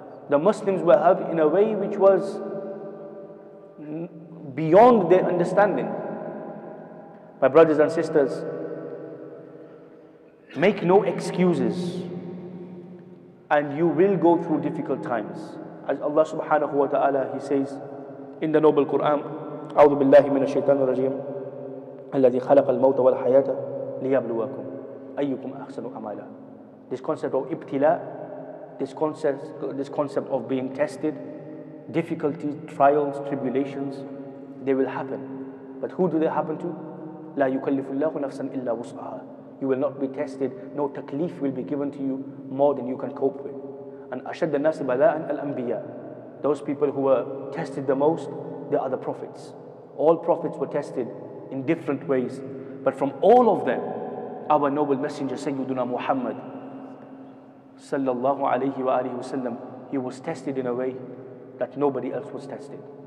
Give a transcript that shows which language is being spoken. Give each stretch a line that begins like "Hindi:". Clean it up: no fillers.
English: The Muslims were helped in a way which was beyond their understanding. My brothers and sisters, make no excuses, and you will go through difficult times. As Allah subhanahu wa ta'ala, He says in the noble Quran,
Arabic: أَعُوذُ بِاللَّهِ مِنَ الشَّيْطَانِ الرَّجِيمِ الَّذِي خَلَقَ الْمَوْتَ وَالْحَيَاةَ لِيَبْلُوَكُمْ أَيُّكُمْ أَحْسَنُ عَمَلًا.
English: This concept of ibtila, this concept of being tested, difficulties, trials, tribulations, they will happen. But who do they happen to?
Arabic: لا يكلف الله نفسا إلا وسعها.
English: You will not be tested, no takleef will be given to you more than you can cope with.
Arabic: And أشد الناس بلاء الأنبياء.
English: Those people who were tested the most, they are the prophets. All prophets were tested in different ways, but from all of them, our noble messenger Sayyiduna Muhammad sallallahu alayhi wa alihi wasallam, he was tested in a way that nobody else was tested.